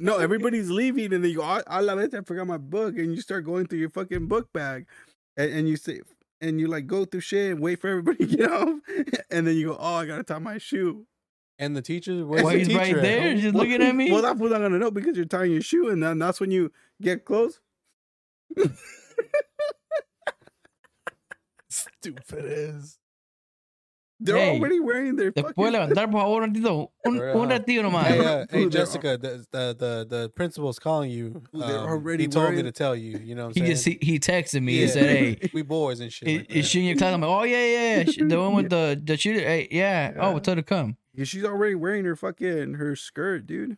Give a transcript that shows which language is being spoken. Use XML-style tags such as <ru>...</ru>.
<en>No, everybody's leaving, and then you go,</en> <es>a la vez,</es> <en>I forgot my book, and you start going through your fucking book bag and you say, and you like go through shit and wait for everybody to get off, and then you go, oh, I gotta tie my shoe. And the teacher, right there, just looking at me. Well, that's what I'm gonna know because you're tying your shoe, and then that's when you get close. Stupid ass. They're already wearing their.</en> <es>Después levantar por favor un ratito nomás.</es> <en>Hey, Jessica, the principal's calling you. He told me to tell you. You know what I'm saying? He texted me. Yeah. He said, "Hey, we boys and shit." Is she in your class? I'm like, "Oh yeah." The one with the shooter. Hey, yeah. Oh, tell her to come. Yeah, she's already wearing her skirt, dude.</en>